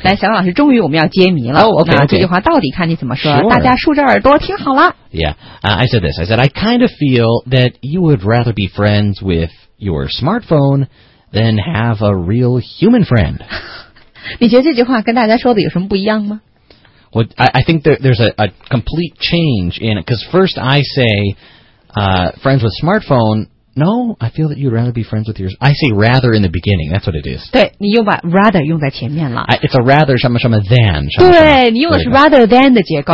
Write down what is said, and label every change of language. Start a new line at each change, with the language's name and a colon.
Chinese: 来小老师终于我们要揭谜了。
English: Oh, okay, okay.
Chinese: 那这句话到底看你怎么说、
English: sure.
Chinese: 大家竖着耳朵听好了。
English: Yeah.、I said this. I said, I kind of feel that you would rather be friends with your smartphone than have a real human friend.
Chinese: 你觉得这句话跟大家说的有什么不一样吗？
English: Well, I think there's a complete change in it, because first I say friends with smartphone. No, I feel that you'd rather be friends with yours. I say rather in the beginning. That's what it is.
Chinese: 对，你用把 rather 用在前面了。
English: It's a rather
Chinese: 什么什么
English: than 什么
Chinese: 什么。对，你用的是 rather than 的结构。